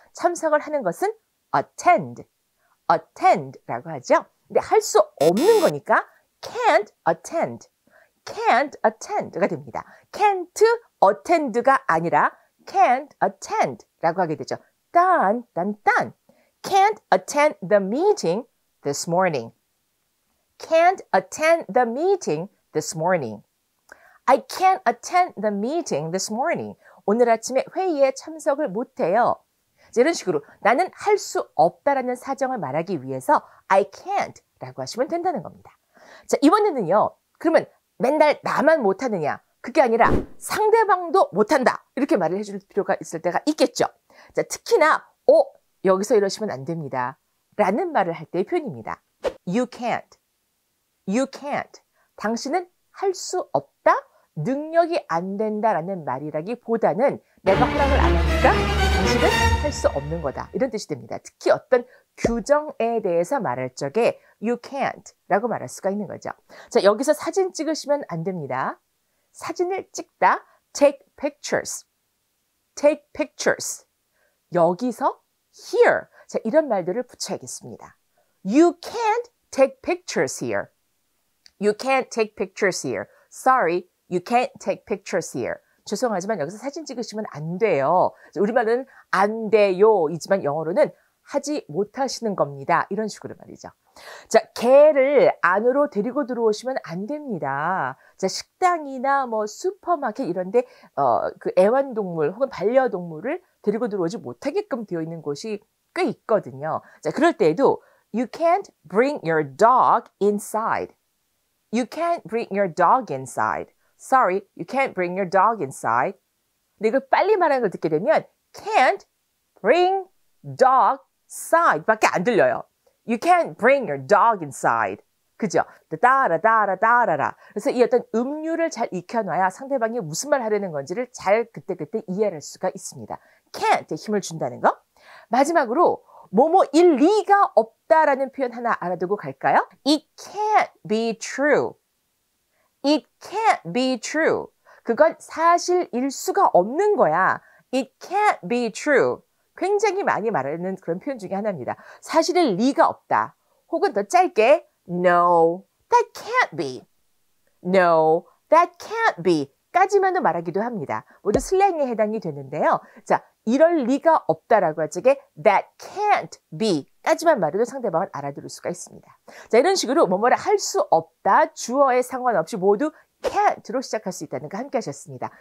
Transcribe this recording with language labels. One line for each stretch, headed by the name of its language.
Korean: 참석을 하는 것은 attend, attend라고 하죠. 근데 할 수 없는 거니까
English: can't attend, can't attend
Korean: 가 됩니다.
English: can't attend
Korean: 가 아니라 can't attend라고 하게 되죠. 딴, 딴, 딴.
English: can't attend the meeting this morning. can't attend the meeting this morning. I can't attend the meeting this morning.
Korean: 오늘 아침에 회의에 참석을 못해요. 이런 식으로 나는 할 수 없다라는 사정을 말하기 위해서
English: I can't
Korean: 라고 하시면 된다는 겁니다. 자, 이번에는요. 그러면 맨날 나만 못하느냐? 그게 아니라 상대방도 못한다. 이렇게 말을 해줄 필요가 있을 때가 있겠죠. 자, 특히나 여기서 이러시면 안 됩니다. 라는 말을 할 때의 표현입니다.
English: You can't. You can't.
Korean: 당신은 할 수 없다. 능력이 안 된다라는 말이라기보다는 내가 허락을 안 하니까 당신은 할 수 없는 거다. 이런 뜻이 됩니다. 특히 어떤 규정에 대해서 말할 적에
English: You can't
Korean: 라고 말할 수가 있는 거죠. 자, 여기서 사진 찍으시면 안 됩니다. 사진을 찍다.
English: Take pictures. Take pictures.
Korean: 여기서
English: here.
Korean: 자, 이런 말들을 붙여야겠습니다.
English: You can't take pictures here. You can't take pictures here. Sorry, you can't take pictures here.
Korean: 죄송하지만 여기서 사진 찍으시면 안 돼요. 우리말로는 안 돼요. 이지만 영어로는 하지 못하시는 겁니다. 이런 식으로 말이죠. 자, 개를 안으로 데리고 들어오시면 안 됩니다. 자, 식당이나 뭐 슈퍼마켓 이런 데 그 애완동물 혹은 반려동물을 데리고 들어오지 못하게끔 되어 있는 곳이 꽤 있거든요. 자, 그럴 때에도
English: You can't bring your dog inside. You can't bring your dog inside. Sorry, you can't bring your dog inside.
Korean: 근데 이걸 빨리 말하는 걸 듣게 되면
English: can't bring dog side
Korean: 밖에 안 들려요.
English: You can't bring your dog inside.
Korean: 그죠? 따라따라따라라. 그래서 이 어떤 음유를 잘 익혀놔야 상대방이 무슨 말 하려는 건지를 잘 그때그때 이해할 수가 있습니다. can't에 힘을 준다는 거. 마지막으로 뭐뭐일 리가 없다라는 표현 하나 알아두고 갈까요?
English: It can't be true. It can't be true.
Korean: 그건 사실일 수가 없는 거야.
English: It can't be true.
Korean: 굉장히 많이 말하는 그런 표현 중에 하나입니다. 사실일 리가 없다. 혹은 더 짧게
English: No, that can't be. No, that can't be.
Korean: 까지만도 말하기도 합니다. 모두 슬랭에 해당이 되는데요. 자, 이럴 리가 없다라고 하지.
English: That can't be
Korean: 까지만 말해도 상대방은 알아들을 수가 있습니다. 자, 이런 식으로 뭐뭐를 할 수 없다, 주어에 상관없이 모두 can't로 시작할 수 있다는 거 함께 하셨습니다.